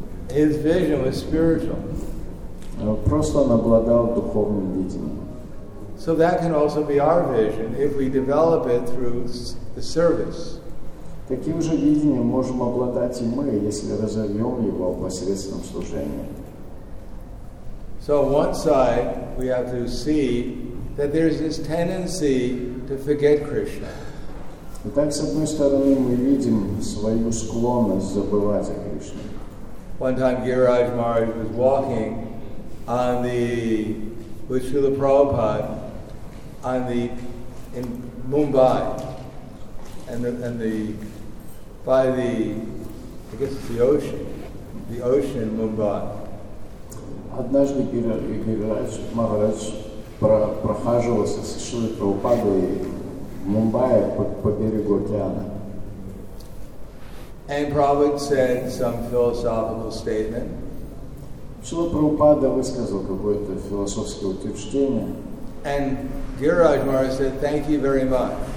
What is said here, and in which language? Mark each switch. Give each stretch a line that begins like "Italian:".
English: His vision was spiritual.
Russian: Просто он обладал духовным видением.
English: So that can also be our vision if we develop it through the service.
Russian: Таким же видением можем обладать и мы, если разовьем его посредством служения.
English: So on one side we have to see that there's this tendency to forget Krishna.
Russian: Итак, с одной стороны мы видим свою склонность забывать о Кришне.
English: One time Giriraj Maharaj was walking on the with Srila Prabhupada on the in Mumbai and the by the I guess it's the ocean in Mumbai.
Russian: Однажды Гирирадж Махарадж прохаживался с Шри Прабхупадой в Мумбаи по берегу океана.
English: And Prabhupada said some philosophical statement.
Russian: Шри Прабхупада высказал какое-то философское утверждение.
English: And Giriraj Maharaj said, "Thank you very much."